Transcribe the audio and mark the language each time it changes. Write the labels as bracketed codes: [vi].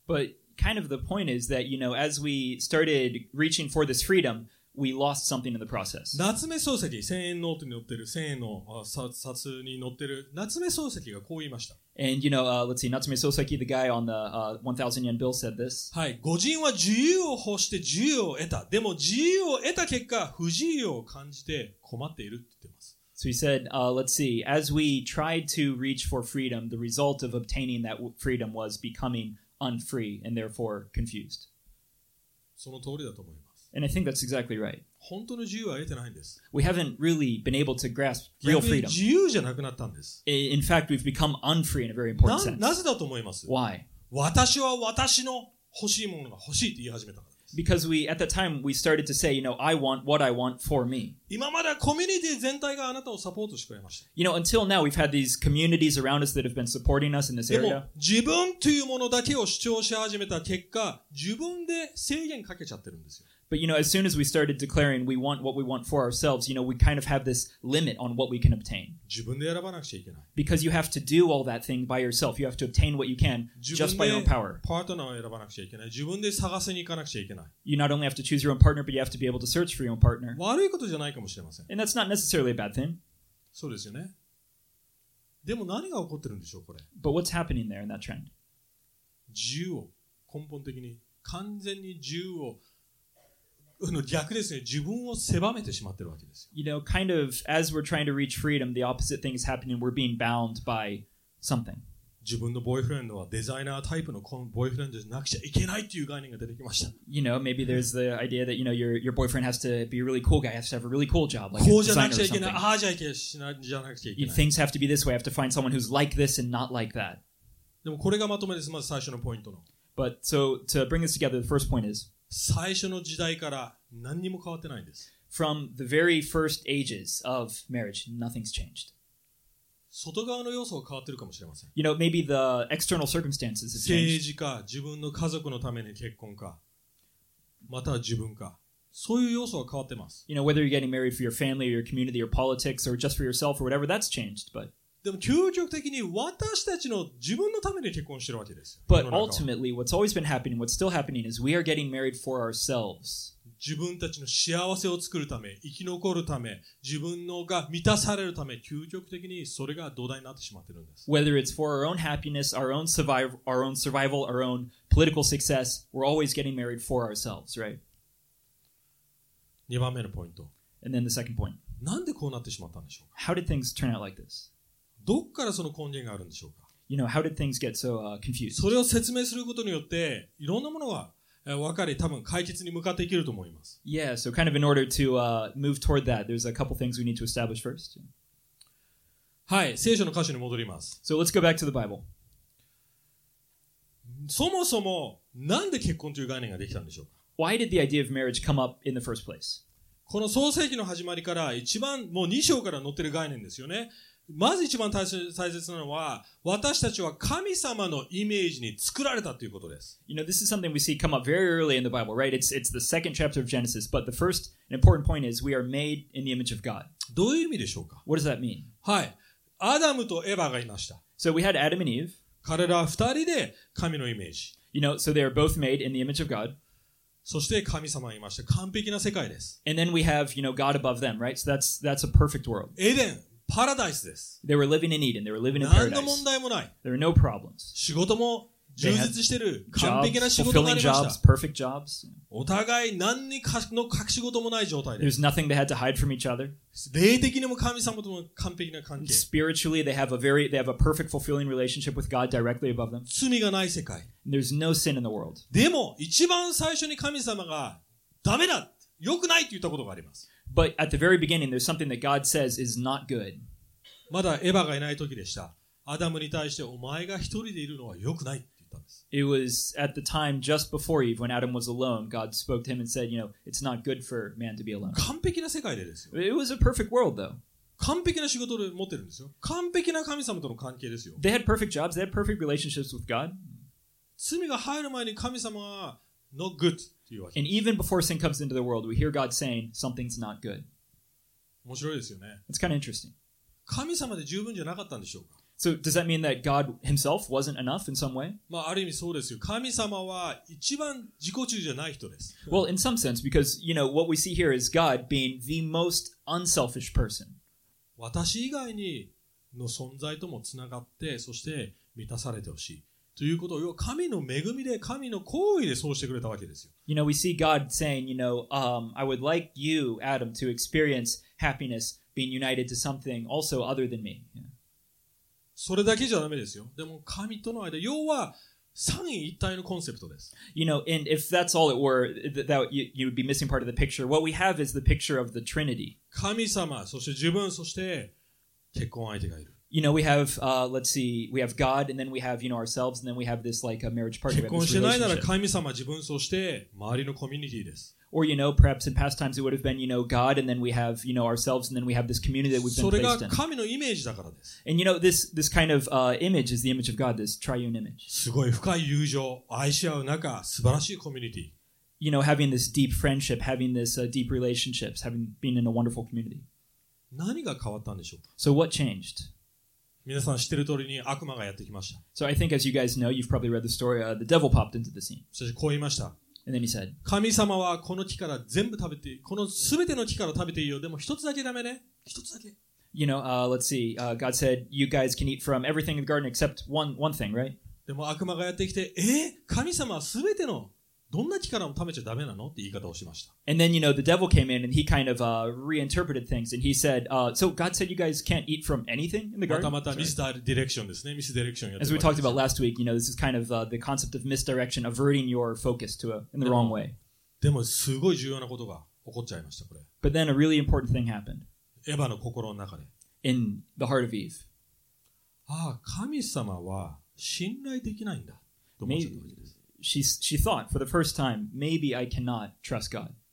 [en] But kind of the point is that, you know, as we started reaching for this freedom, we lost something in the process. [ja] 夏目漱石、千円ノートに載ってる、千円の札に載ってる、夏目漱石がこう言いました。 [en] And, you know, let's see, 夏目漱石, the guy on the 1,000 yen bill said this. [ja] はい、個人は自由を欲して自由を得た。でも自由を得た結果、不自由を感じて困っているって言ってます。 [en] So he said, let's see, as we tried to reach for freedom, the result of obtaining that freedom was becoming unfree and therefore confused. [ja] その通りだと思います。 [en] And I think that's exactly right. [ja] 本当の自由は得てないんです。 [en] We haven't really been able to grasp real freedom. [ja] 自由じゃなくなったんです。 [en] In fact, we've become unfree in a very important sense. [ja] なぜだと思います? [en] Why? [ja] 私は私の欲しいものが欲しいって言い始めたから。 [en] Because we, at that time, we started to say, you know, I want what I want for me. [ja] 今までコミュニティ全体があなたをサポートしてくれました。 [en] You know, until now, we've had these communities around us that have been supporting us in this area. [ja] でも、自分というものだけを主張し始めた結果、自分で制限かけちゃってるんですよ。 [en] But, you know, as soon as we started declaring we want what we want for ourselves, you know, we kind of have this limit on what we can obtain. [ja] 自分で選ばなくちゃいけない。 [en] Because you have to do all that thing by yourself. You have to obtain what you can just by your own power. [ja] 自分でパートナーを選ばなくちゃいけない。自分で探せに行かなくちゃいけない。 [en] You not only have to choose your own partner, but you have to be able to search for your own partner. [ja] 悪いことじゃないかもしれません。 [en] And that's not necessarily a bad thing. [ja] そうですよね。でも何が起こってるんでしょう、これ。 [en] But what's happening there in that trend? [ja] 自由を根本的に完全に自由を逆ですね、自分を狭めてしまってるわけですよ。 [en] You know, kind of, as we're trying to reach freedom, the opposite thing is happening. We're being bound by something. [ja] 自分のボーイフレンドはデザイナータイプのこのボーイフレンドじゃなくちゃいけないっていう概念が出てきました。 [en] You know, maybe there's the idea that, you know, your boyfriend has to be a really cool guy, has to have a really cool job, like a designer or something. You know, things have to be this way. I have to find someone who's like this and not like that. [ja] でもこれがまとめです、まず最初のポイントの。 [en] But so, to bring this together, the first point is, [ja] 最初の時代から何にも変わってないんです。 [en] From the very first ages of marriage, nothing's changed. [ja] 外側の要素は変わってるかもしれません。 [en] You know, maybe the external circumstances have changed. [ja] 政治か、自分の家族のために結婚か、または自分か、そういう要素は変わってます。 [en] You know, whether you're getting married for your family or your community or politics or just for yourself or whatever, that's changed, but... [ja] でも究極的に私たちの自分のために結婚してるわけです。 [en] But ultimately, what's always been happening, what's still happening, is we are getting married for ourselves. [ja] 自分たちの幸せを作るため、生き残るため、自分のが満たされるため、究極的にそれが土台になってしまってるんです。 [en] Whether it's for our own happiness, our own survival, our own political success, we're always getting married for ourselves, right? [ja] 2番目のポイント。 [en] And then the second point. [ja] なんでこうなってしまったんでしょうか? [en] How did things turn out like this? [ja] どこからその根源があるんでしょうか? [en] You know, how did things get so, confused? [ja] それを説明することによって、いろんなものが分かり、多分解決に向かっていけると思います。 [en] Yeah, so kind of in order to, move toward that, there's a couple things we need to establish first. [ja] はい、聖書の箇所に戻ります。 [en] So let's go back to the Bible. [ja] そもそも、なんで結婚という概念ができたんでしょうか? [en] Why did the idea of marriage come up in the first place? [ja] この創世記の始まりから一番、もう2章から載ってる概念ですよね。まず一番大切なのは、私たちは神様のイメージに作られたということです。 [en] You know, this is something we see come up very early in the Bible, right? It's the second chapter of Genesis, but the first important point is we are made in the image of God. [ja] どういう意味でしょうか? [en] What does that mean? [ja] はい。アダムとエヴァがいました。 [en] So we had Adam and Eve. [ja] 彼ら二人で神のイメージ。 [en] You know, so they are both made in the image of God. [ja] そして神様がいました。完璧な世界です。 [en] And then we have, you know, God above them, right? So that's a perfect world. [ja] エデン。パラダイスです。 [en] They were living in Eden. They were living in paradise. [ja] 何の問題もない。 [en] There were no problems. [ja] 仕事も充実してる。完璧な仕事がありました。 [en] Perfect jobs. [ja] お互い何にかの隠し事もない状態です。 [en] There's nothing they had to hide from each other. [ja] 霊的にも神様とも完璧な関係。 [en] Spiritually, they have a perfect fulfilling relationship with God directly above them. [ja] 罪がない世界。 [en] And there's no sin in the world. [ja] でも、一番最初に神様がダメだ、良くないって言ったことがあります。 [en] But at the very beginning, there's something that God says is not good. [ja] まだエヴァがいない時でした。アダムに対してお前が一人でいるのは良くないって言ったんです。 [en] It was at the time just before Eve, when Adam was alone, God spoke to him and said, you know, it's not good for man to be alone. [ja] 完璧な世界でですよ。 [en] It was a perfect world, though. [ja] 完璧な仕事で持ってるんですよ。完璧な神様との関係ですよ。 [en] They had perfect jobs, they had perfect relationships with God. [ja] 罪が入る前に神様は [en] not good. And even before sin comes into the world, we hear God saying something's not good. [ja] 面白いですよね。 [en] It's kind of interesting. [ja] 神様で十分じゃなかったんでしょうか? [en] So does that mean that God himself wasn't enough in some way? [ja] まあある意味そうですよ。神様は一番自己中じゃない人です。 [en] Well, in some sense, because, you know, what we see here is God being the most unselfish person. [ja] 私以外にの存在ともつながって、そして満たされてほしい。ということを要は神の恵みで神の行為でそうしてくれたわけですよ。 [en] You know, we see God saying, you know, I would like you, Adam, to experience happiness being united to something also other than me.、Yeah. [ja] それだけじゃダメですよ。でも神との間、要は三位一体のコンセプトです。 [en] You know, and if that's all it were, that you would be missing part of the picture. What we have is the picture of the Trinity. [ja] 神様、そして自分、そして結婚相手がいる。 [en] You know, we have, let's see, we have God, and then we have, you know, ourselves, and then we have this, like, a marriage partner. [ja] 結婚してないなら神様、自分、そして周りのコミュニティです。 [en] Or, you know, perhaps in past times it would have been, you know, God, and then we have, you know, ourselves, and then we have this community that we've been placed in. [ja] それが神のイメージだからです。 [en] And, you know, this kind of, image is the image of God, this triune image. [ja] すごい深い友情、愛し合う中、素晴らしいコミュニティ。 [en] You know, having this deep friendship, having this, deep relationships, having been in a wonderful community. [ja] 何が変わったんでしょうか? [en] So what changed? [ja] 皆さん知ってる通りに悪魔がやってきました。 [en] So I think as you guys know, you've probably read the story, the devil popped into the scene. [ja] そしてこう言いました。 [en] And then he said, [ja] 神様はこの木から全部食べて、この全ての木から食べていいよ。でも一つだけダメね。一つだけ。 [en] You know, let's see, God said, you guys can eat from everything in the garden except one thing, right? [ja] でも悪魔がやってきて、え、神様はすべてのどんな力も貯めちゃダメなのって言い方をしました。 [en] And then, you know, the devil came in and he kind of, reinterpreted things and he said, so God said you guys can't eat from anything in the garden? [ja] またまたミスターディレクションですね。ミスディレクションやってる。 [en] As we talked about last week, you know, this is kind of, the concept of misdirection, averting your focus to a, in the wrong way. [ja] でも、すごい重要なことが起こっちゃいました、これ。 [en] But then a really important thing happened. [ja] エヴァの心の中で。 [en] In the heart of Eve. [ja] ああ、神様は信頼できないんだ。と思っちゃったわけです。 [en] She thought for the first time, maybe I cannot trust God.